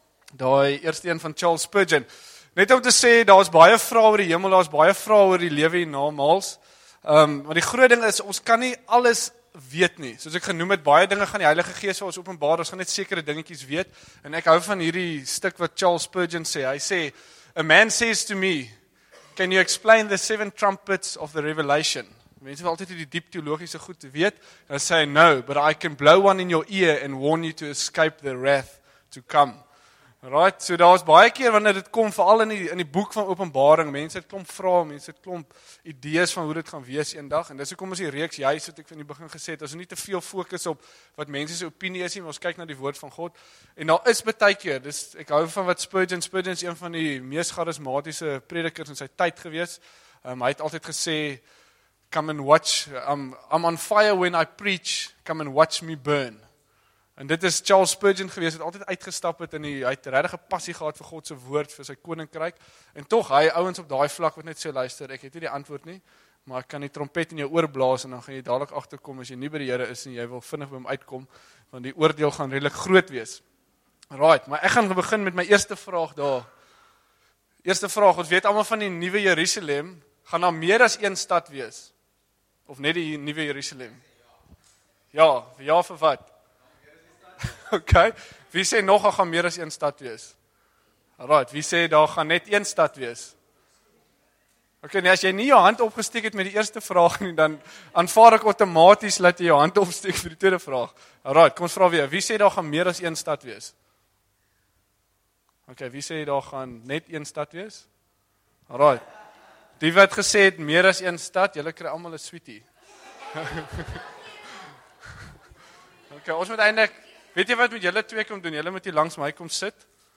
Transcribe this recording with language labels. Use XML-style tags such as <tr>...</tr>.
<af>Daai eerste een van Charles Spurgeon. Net om te sê, daar is baie vrae oor die hemel, daar is baie vrae oor die lewe hierna maals. Maar die groot ding is, ons kan nie alles weet nie. Soos ek genoem het, baie dinge gaan die Heilige Gees vir ons openbaar, ons gaan net sekere dingetjies weet. En ek hou van hierdie stuk wat Charles Spurgeon sê. Hy sê,</af> <en>a man says to me, can you explain the 7 trumpets of the revelation?</en> <af>Mense wil altyd die diep theologiese goed weet. En hy sê,</af> <en>no, but I can blow one in your ear and warn you to escape the wrath to come.</en> <af>Right, so daar is baie keer wanneer dit kom, vooral in die boek van openbaring, mense het klomp vrae, mense het klomp idees van hoe dit gaan wees een dag, en dis hoekom ons die reeks juist, wat ek van die begin gesê het, ons nie te veel fokus op wat mense se opinie is nie, maar ons kyk na die woord van God, en daar is baie keer, dis, ek hou van wat Spurgeon is een van die mees charismatiese predikers in sy tyd gewees, hy het altyd gesê,</af> <en>come and watch, I'm on fire when I preach, come and watch me burn.</en> <af>En dit is Charles Spurgeon gewees, het altyd uitgestap het en hy het regtig 'n passie gehad vir God se woord, vir sy koninkryk. En tog, hy ouens op daai vlak wat net so luister, ek het nie die antwoord nie, maar ek kan die trompet in jou oor blaas en dan gaan jy dadelik agterkom as jy nie by die Here is en jy wil vinnig by hom uitkom, want die oordeel gaan redelik groot wees. Right, maar ek gaan begin met my eerste vraag daar. Eerste vraag, ons weet allemaal van die Nuwe Jerusalem, gaan daar meer as een stad wees? Of net die Nuwe Jerusalem? Ja vir wat? Ok, wie sê nog, daar gaan meer as een stad wees? Alright, wie sê, daar gaan net een stad wees? Ok, nee, as jy nie jou hand opgesteek het met die eerste vraag nie, dan aanvaar ek automatisch, laat jy jou hand opsteek vir die tweede vraag. Alright, kom ons vraag weer, wie sê, daar gaan meer as een stad wees? Ok, wie sê, daar gaan net een stad wees? Alright, die wat gesê het, meer as een stad, jylle kry allemaal een sweetie. Ok, ons moet eindelijk, weet jy wat met julle twee kom doen? Julle moet hier langs my kom sit.</af>